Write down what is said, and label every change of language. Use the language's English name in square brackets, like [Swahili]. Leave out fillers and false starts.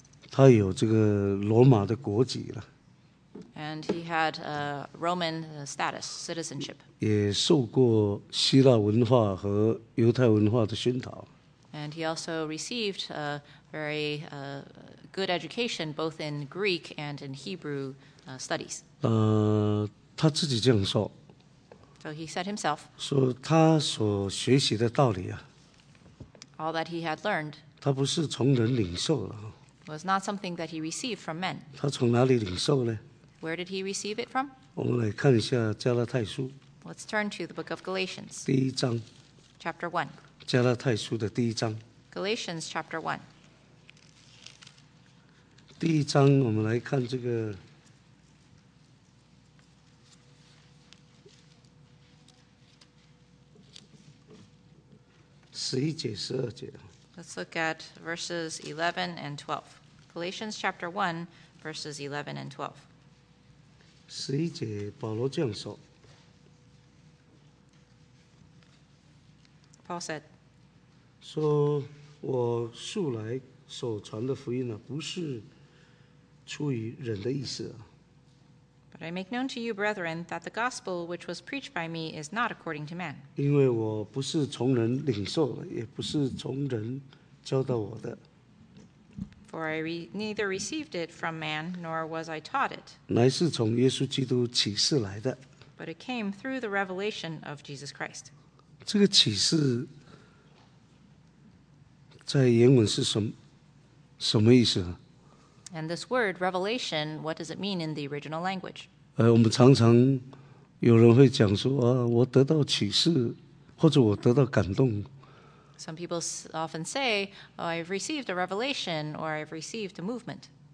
[Chinese] 他有这个罗马的国籍了。 [English] And he had a Roman status, citizenship. [Chinese] 也受过希腊文化和犹太文化的熏陶。 [English] And he also received a very good education, both in Greek and in Hebrew studies. [Chinese] 他自己这样说。 [English] So he said himself. [Chinese] 说他所学习的道理啊。 [English] All that he had learned. [Chinese] 他不是从人领受的。 [English] Was not something that he received from men. [Chinese] 他从哪里领受呢？ [English] Where did he receive it from? [Chinese] 我们来看一下加拉太书。 [English] Let's turn to the book of Galatians. [Chinese] 第一章。 [English] Chapter 1. [Chinese] 加拉太书的第一章。 [English] Galatians chapter 1. [Chinese] 第一章我们来看这个。 [English] Let's look at verses 11 and 12. Galatians chapter 1, verses 11 and 12. [Chinese] 十一节，保罗这样说。 [English] Paul said, [Chinese] 说我素来所传的福音呢，不是出于人的意思。 [English] But I make known to you, brethren, that the gospel which was preached by me is not according to man. [Chinese] 因为我不是从人领受的，也不是从人教导我的。 [English] For I neither received it from man, nor was I taught it. [Chinese] 乃是从耶稣基督启示来的。 [English] But it came through the revelation of Jesus Christ. [Chinese] 这个启示在原文是什么意思? [English] And this word, revelation, what does it mean in the original language? [Chinese] 我们常常有人会讲说，我得到启示，或者我得到感动。 [English] Some people often say, oh, I've received a revelation or I've received a movement.